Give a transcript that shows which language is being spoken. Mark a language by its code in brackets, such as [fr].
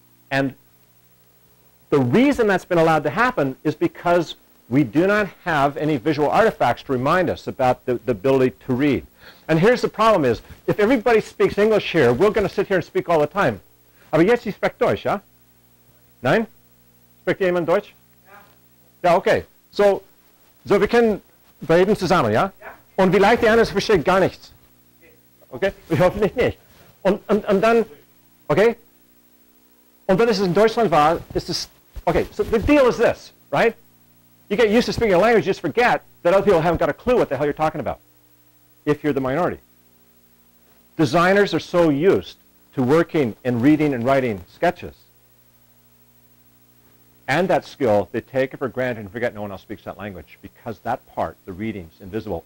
[en] And the reason that's been allowed to happen is because we do not have any visual artifacts to remind us about the ability to read. And here's the problem is, if everybody speaks English here, we're going to sit here and speak all the time. [de] Aber jetzt, ich spreche Deutsch, ja? Nein? Spricht jemand Deutsch? Ja. Ja, okay. So wir können reden zusammen, ja? Ja. Und vielleicht der andere versteht gar nichts. Okay? Wir hoffen nicht. Und dann, okay? Und wenn es in Deutschland war, ist es, okay, [en] so the deal is this, right? You get used to speaking a language, you just forget that other people haven't got a clue what the hell you're talking about, if you're the minority. designers are so used to working and reading and writing sketches. And that skill, they take it for granted and forget no one else speaks that language because that part, the reading's invisible.